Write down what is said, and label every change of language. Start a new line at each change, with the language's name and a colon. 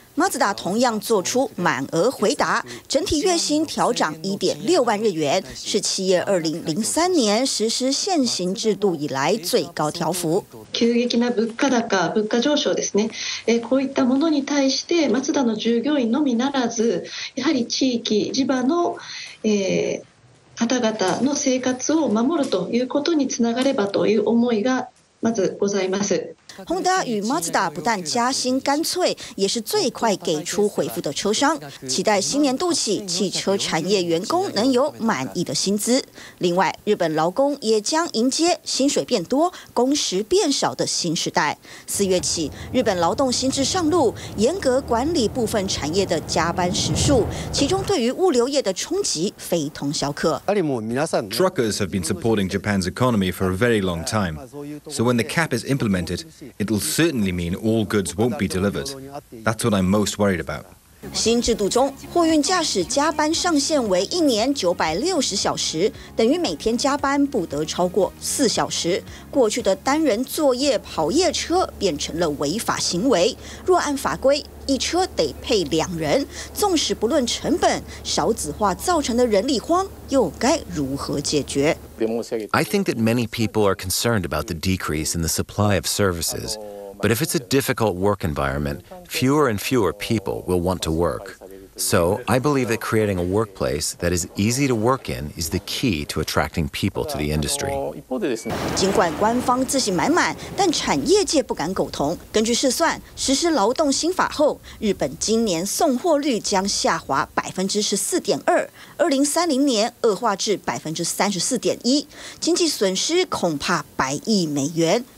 Chinese: Mazda 同样做出满额回答，整体月薪调涨1.6万日元，是企业2003年实施现行制度以来最高调幅。
Japanese: 急激な物価高、物価上昇ですね。こういったものに対して、Mazda の従業員のみならず、やはり地域地場の方々の生活を守るということにつながればという思いがまずございます。
Chinese: Honda 与 Mazda 不但加薪干脆，也是最快给出回复的车商，期待新年度起汽车产业员工能有满意的薪资。另外，日本劳工也将迎接薪水变多、工时变少的新时代。四月起，日本劳动新制上路，严格管理部分产业的加班时数，其中对于物流业的冲击非同小可。
English: Truckers have been supporting Japan's economy for a very long time, so when the cap is implemented. It will certainly mean all goods won't be delivered. That's what I'm most worried about.
Chinese: 新制度中，货运驾驶加班上限为1年960小时，等于每天加班不得超过4小时。过去的单人作业跑夜车变成了违法行为。若按法规，一车得配2人，纵使不论成本，少子化造成的人力荒又该如何解决？
English: I think that many people are concerned about the decrease in the supply of services, but if it's a difficult work environment, fewer and fewer people will want to work. So I believe that creating a workplace that is easy to work in is the key to attracting people to the industry.
Chinese: 尽管官方自信满满，但产业界不敢苟同。根据试算，实施劳动新法后，日本今年送货率将下滑14.2%。 2030年恶化至34.1%，经济损失恐怕100亿美元。